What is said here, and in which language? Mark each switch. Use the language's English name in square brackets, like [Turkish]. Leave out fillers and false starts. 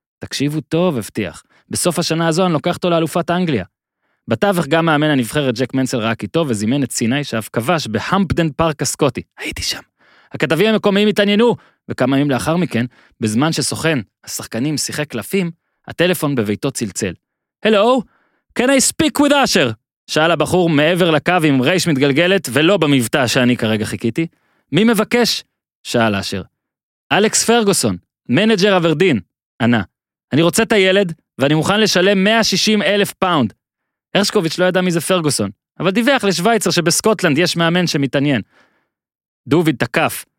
[Hebrew] תקשיבו טוב, הבטיח. בסוף השנה הזו אני לוקח אותו לאלופת אנגליה. בתווך גם מאמן הנבחרת ג'ק מנסל ראה כי טוב וזימן את סיני שאף כבש בהמפדן פארק הסקוטי. הייתי שם. הכתבים המקומיים התעניינו, וכמה ימים לאחר מכן, בזמן שסוכן השחקנים שיחק קלפים, הטלפון בביתו צלצל. [English] "Hello, can I speak with Usher?" [Hebrew] שאל הבחור מעבר לקו עם רייש מתגלגלת ולא במבטא שאני כרגע חיכיתי. "מי מבקש?" שאל אשר. "אלכס פרגוסון, מנג'ר אברדין." ענה. "אני רוצה את הילד, ואני מוכן לשלם 160 אלף פאונד." הרשקוביץ' לא ידע מי זה פרגוסון, אבל דיווח לשווייצר שבסקוטלנד יש מאמן שמתעניין. דוביד תקף.